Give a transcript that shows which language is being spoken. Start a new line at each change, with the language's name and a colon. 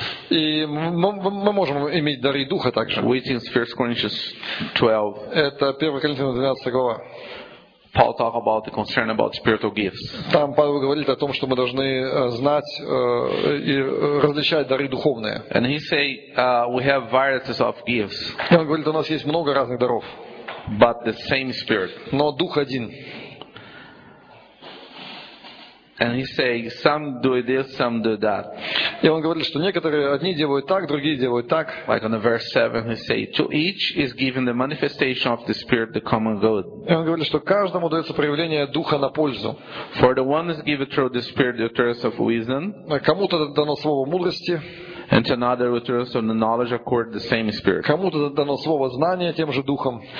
Russian: И мы можем иметь дары Духа также.
English: Which is 1 Corinthians 12.
Russian: Это 1 Коринфянам 12 глава.
English: Paul talk about the concern about spiritual gifts.
Russian: Там Павел говорит о том, что мы должны знать и различать дары духовные.
English: And he say we have varieties of gifts.
Russian: И он говорит, у нас есть много разных даров.
English: But the same Spirit.
Russian: Но Дух один.
English: And he say some do this, some do that.
Russian: И он говорит, что некоторые одни делают так, другие делают так.
English: Like in the verse 7, he say to each is given the manifestation of the Spirit, the common good.
Russian: И он говорит, что каждому дается проявление Духа на пользу.
English: For the one is given through the Spirit the utterance of wisdom.
Russian: Кому-то дано слово мудрости.
English: And to another utterance of the knowledge according to the same Spirit.
Russian: Кому-то дано слово знания тем же Духом.